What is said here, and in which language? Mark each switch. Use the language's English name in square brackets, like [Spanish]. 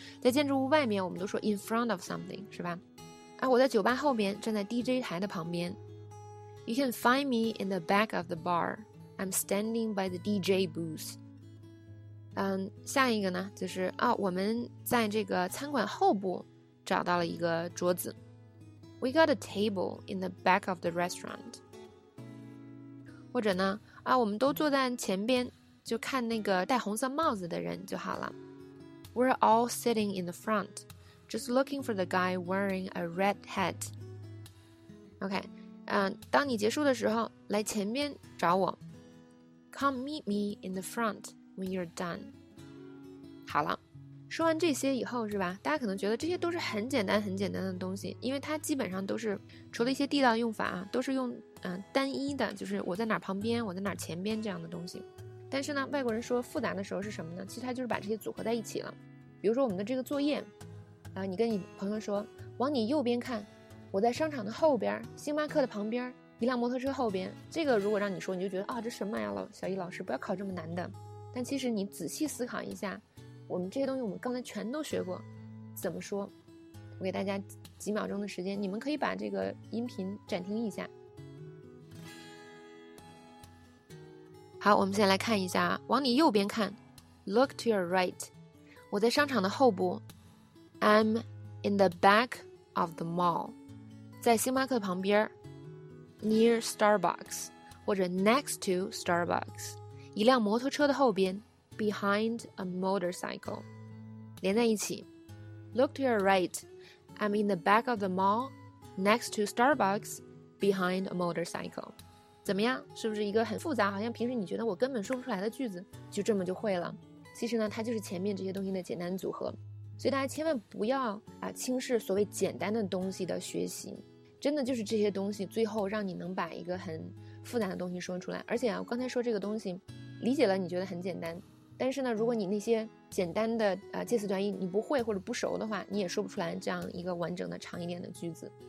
[Chinese] 在建筑物外面我们都说 [English] in front of something， [Chinese] 是吧？啊，我在酒吧后边，站在 DJ 台的旁边。 [English] You can find me in the back of the bar. I'm standing by the DJ booth。 [Chinese] 下一个呢，就是啊，我们在这个餐馆后部找到了一个桌子。 [English] We got a table in the back of the restaurant。 [Chinese] 或者呢，啊，我们都坐在前边，就看那个戴红色帽子的人就好了。 [English] We're all sitting in the front, just looking for the guy wearing a red hat。 [Chinese] OK， 当你结束的时候，来前边找我。 [English] Come meet me in the front. When you're done， [Chinese] 好了，说完这些以后是吧？大家可能觉得这些都是很简单、很简单的东西，因为它基本上都是除了一些地道用法啊，都是用单一的，就是我在哪旁边、我在哪前边这样的东西。但是呢，外国人说复杂的时候是什么呢？其实它就是把这些组合在一起了。比如说我们的这个作业，你跟你朋友说，往你右边看，我在商场的后边，星巴克的旁边，一辆摩托车后边。这个如果让你说，你就觉得啊，这什么呀，小易老师，不要考这么难的。但其实你仔细思考一下，我们这些东西我们刚才全都学过，怎么说？我给大家几秒钟的时间，你们可以把这个音频暂停一下。好，我们先来看一下，往你右边看 ， [English] Look to your right。 [Chinese] 我在商场的后部 ， [English] I'm in the back of the mall， [Chinese] 在星巴克旁边 ， [English] near Starbucks [Chinese] 或者 [English] next to Starbucks。 [Chinese] 一辆摩托车的后边 ， [English] behind a motorcycle， [Chinese] 连在一起。 [English] Look to your right, I'm in the back of the mall, next to Starbucks, behind a motorcycle。 [Chinese] 怎么样？是不是一个很复杂，好像平时你觉得我根本说不出来的句子，就这么就会了？其实呢，它就是前面这些东西的简单组合。所以大家千万不要轻视所谓简单的东西的学习，真的就是这些东西最后让你能把一个很复杂的东西说出来。而且啊，我刚才说这个东西理解了你觉得很简单，但是呢，如果你那些简单的介词短语你不会或者不熟的话，你也说不出来这样一个完整的长一点的句子。